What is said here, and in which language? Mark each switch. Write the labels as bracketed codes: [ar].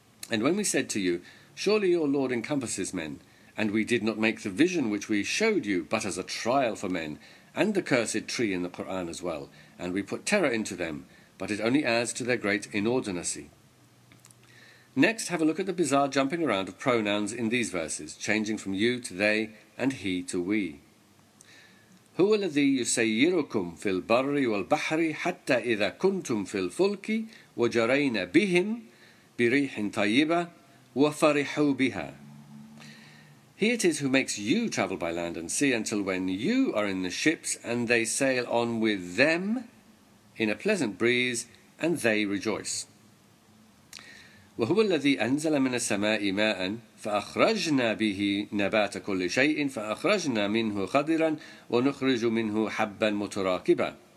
[en] And when we said to you, surely your Lord encompasses men, and we did not make the vision which we showed you but as a trial for men, and the cursed tree in the Qur'an as well, and we put terror into them, but it only adds to their great inordinacy. Next, have a look at the bizarre jumping around of pronouns in these verses, changing from you to they and he to we. [ar] هو الذي يسيركم في البر والبحر حتى إذا كنتم في الفلك وجرينا بهم بريح طيبة وفرحوا بها. [en] He it is who makes you travel by land and sea until when you are in the ships and they sail on with them in a pleasant breeze and they rejoice. [ar] وَهُوَ الَّذِي أَنزَلَ مِنَ السَّمَاءِ مَاءً فَأَخْرَجْنَا بِهِ نَبَاتَ كُلِّ شَيْءٍ فَأَخْرَجْنَا مِنْهُ خَضِرًا وَنُخْرِجُ مِنْهُ حَبًّا مُتَرَاكِبًا.